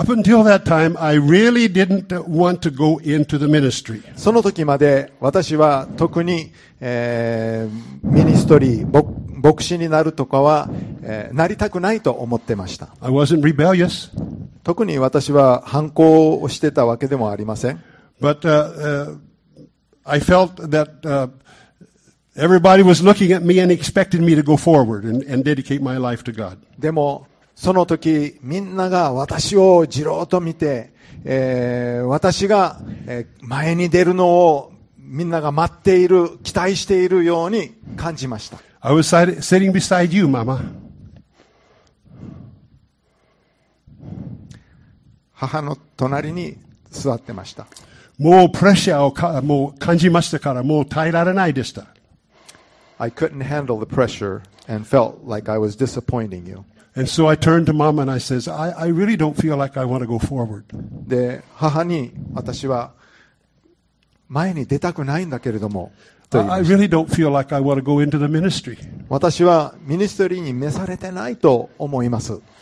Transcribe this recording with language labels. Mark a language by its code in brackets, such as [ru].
[en] Up until that time, I really didn't want to go into the ministry. [ja] その時まで私は特に、ミニストリー、牧師になるとかは、なりたくないと思ってました。 [en] I wasn't rebellious. [ja] 特に私は反抗をしてたわけでもありません。 [en] But, I felt that, Everybody was looking at me and expected me to go forward and dedicate my life to God. [ja] でもその時みんなが私をじろうと見て、私が、前に出るのをみんなが待っている期待しているように感じました。 [en] I was sitting beside you, Mama. [ja] 母の隣に座ってました。もうプレッシャーをもう感じましたからもう耐えられないでした。 [en] I couldn't handle the pressure and felt like I was disappointing you. And so I turned to mom and I says, I really don't feel like I want to go forward. [ja] で、母に私は前に出たくないんだけれども。 [en] I really don't feel like I want to go into the ministry. [ja] 私はミニストリーに召されてないと思います。